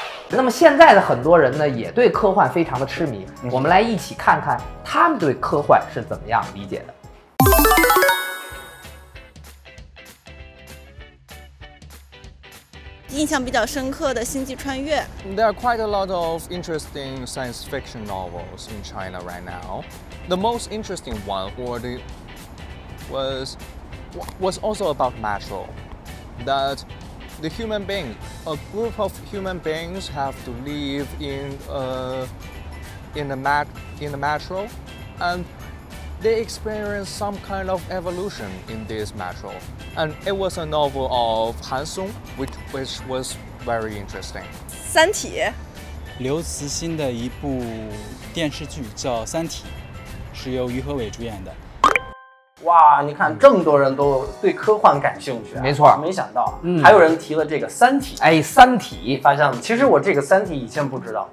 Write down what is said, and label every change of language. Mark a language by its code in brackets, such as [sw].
[zh] 那么现在的很多人呢也对科幻非常的痴迷，我们来一起看看他们对科幻是怎么样理解的。印象比较深刻的星际穿越。 [en] There are quite a lot of interesting science fiction novels in China right now. The most interesting one was also about metro, thatThe human being, a group of human beings have to live in the metro, and they experience some kind of evolution in this metro. And it was a novel of Han Sung, which was very interesting. [zh] 三体，刘慈欣的一部电视剧叫《三体》，是由于和伟主演的。哇，你看这么多人都对科幻感兴趣、啊、没错，没想到、嗯、还有人提了这个三体。哎，三体发现了，其实我这个三体以前不知道